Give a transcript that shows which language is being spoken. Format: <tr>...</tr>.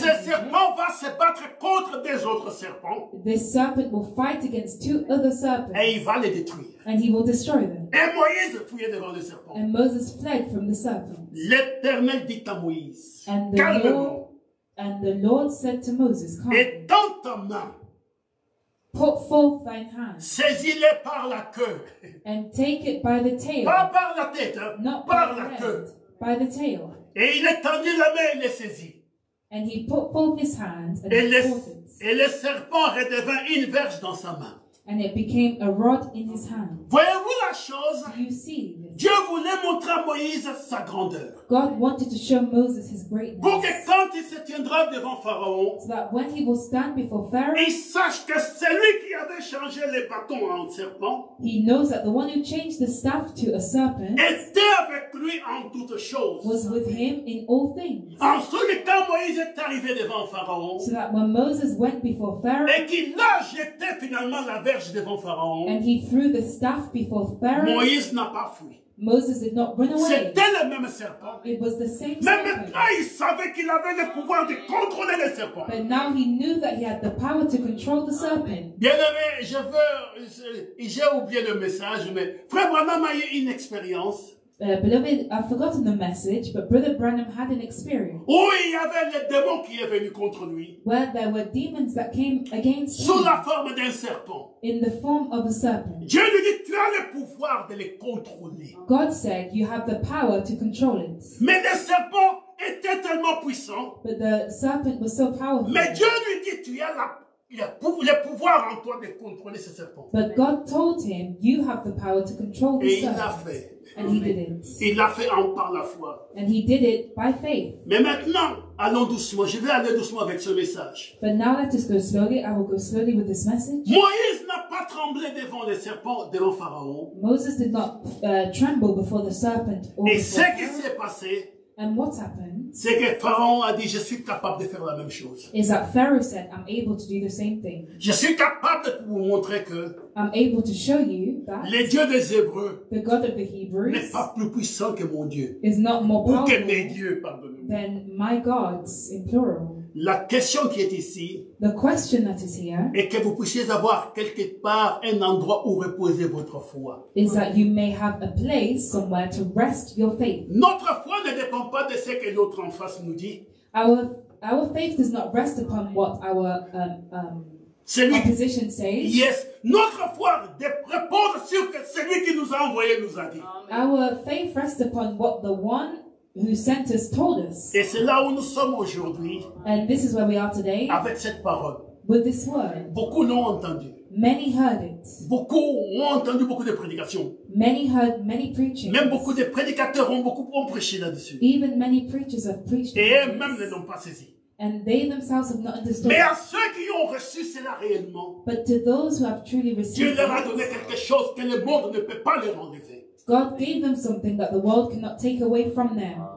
<fr>ce serpent va se battre contre des autres serpents.</fr> <en>This serpent will fight against two other serpents.</en> <fr>Et il va les détruire.</fr> <en>And he will destroy them.</en> <fr>Et Moïse fuyait devant le serpent.</fr> <en>And Moses fled from the serpent.</en> <fr>L'Éternel dit à Moïse,</fr> <en>and the Lord said to Moses, calmly,</en> <fr>et dans ta main,</fr> <en>put forth thine hand,</en> <fr>saisis-le par la queue,</fr> <en>and take it by the tail,</en> <fr>pas par la tête,</fr> <en>not</en> <fr>par</fr> <en>by</en> <fr>la</fr> <en>head,</en> <fr>queue,</fr> <en>by the tail.</en> <fr>Et il étendit la main et le saisit.</fr> <en>And he put forth his hand and</en> <fr>et le serpent redevint une verge dans sa main.</fr> <en>And it became a rod in his hand.</en> <fr>Voyez-vous la chose?</fr> <en>You see,</en> <fr>Dieu voulait montrer à Moïse sa grandeur.</fr> <en>God wanted to show Moses his greatness.</en> <fr>Pour que quand il se tiendra devant Pharaon,</fr> <en>so that when he will stand before Pharaoh,</en> <fr>il sache que c'est lui qui avait changé les bâtons en serpent.</fr> <en>He knows that the one who changed the staff to a serpent</en> <fr>était avec lui en toutes choses.</fr> <en>Was with him in all things.</en> <fr>En ce que quand Moïse est arrivé devant Pharaon,</fr> <en>so that when Moses went before Pharaoh,</en> <fr>et qu'il a jeté finalement la verge devant Pharaon,</fr> <en>and he threw the staff before Pharaoh,</en> <fr>Moïse n'a pas fui.</fr> <en>Moses did not run away.</en> <fr>C'était le même serpent.</fr> <en>It was the same</en> <fr>Mais</fr> <en>serpent.</en> <fr>Maintenant, il savait qu'il avait le pouvoir de contrôler le serpent.</fr> <en>But now he knew that he had the power to control the serpent.</en> <fr>Bien-aimé, je veux, j'ai oublié le message, mais frère Branham a eu une expérience.</fr> <en>Beloved, I've forgotten the message, but Brother Branham had an experience.</en> <fr>Où il y avait les démons qui étaient venus contre lui.</fr> <en>Where there were demons that came against</en> <fr>sous</fr> <en>him.</en> <fr>Sous la forme d'un serpent.</fr> <en>In the form of a serpent.</en> <fr>Dieu lui dit, tu as le pouvoir de les contrôler.</fr> <en>God said, you have the power to control it.</en> <fr>Mais le serpent était tellement puissant.</fr> <en>But the serpent was so powerful.</en> <fr>Mais Dieu lui dit, tu as le pouvoir en toi de contrôler ce serpent.</fr> <en>But God told him, you have the power to control the</en> <fr>Et</fr> <en>serpent.</en> <fr>Et il l'a fait.</fr> <en>And he didn't.</en> <fr>Il l'a fait en par la foi.</fr> <en>And he did it by faith.</en> <fr>Mais maintenant, allons doucement. Je vais aller doucement avec ce message.</fr> <en>But now let us go slowly. I will go slowly with this message.</en> <fr>Moïse n'a pas tremblé devant les serpents, devant Pharaon.</fr> <en>Moses did not tremble before the serpent or</en> <fr>Et ce qui s'est passé,</fr> <en>and what happened,</en> <fr>c'est que Pharaon a dit, je suis capable de faire la même chose.</fr> <en>Is that Pharaoh said, I'm able to do the same thing.</en> <fr>Je suis capable de vous montrer que</fr> <en>I'm able to show you that</en> <fr>le Dieu des Hébreux,</fr> <en>the God of the Hebrews,</en> <fr>n'est pas plus puissant que mon Dieu,</fr> <en>is not more powerful</en> <fr>que mes dieux, pardonnez-moi,</fr> <en>than my gods in plural.</en> <fr>La question qui est ici,</fr> <en>the question that is here,</en> <fr>est que vous puissiez avoir quelque part un endroit où reposer votre foi.</fr> <en>Is that you may have a place somewhere to rest your faith.</en> <fr>Notre foi ne dépend pas de ce que l'autre en face nous dit.</fr> <en>Our faith does not rest upon what our</en> <fr>celui,</fr> <en>opposition says.</en> <fr>Yes, notre foi repose sur celui qui nous a envoyé nous a dit.</fr> <en>Our faith rests upon what the one who sent us told us.</en> <fr>Et c'est là où nous sommes aujourd'hui.</fr> <en>And this is where we are today.</en> <fr>Avec cette parole.</fr> <en>With this word.</en> <fr>Beaucoup l'ont entendu.</fr> <en>Many heard it.</en> <fr>Beaucoup ont entendu beaucoup de prédications.</fr> <en>Many heard many preachings.</en> <fr>Même beaucoup de prédicateurs ont beaucoup prêché là-dessus.</fr> <en>Even many preachers have preached.</en> <fr>Et eux-mêmes ne l'ont pas saisi.</fr> <en>And they themselves have not understood.</en> <fr>Mais à ceux qui ont reçu cela réellement,</fr> <en>but to those who have truly received</en> <fr>Dieu leur a donné quelque chose que le monde ne peut pas leur enlever.</fr> <en>God gave them something that the world cannot take away from them.</en>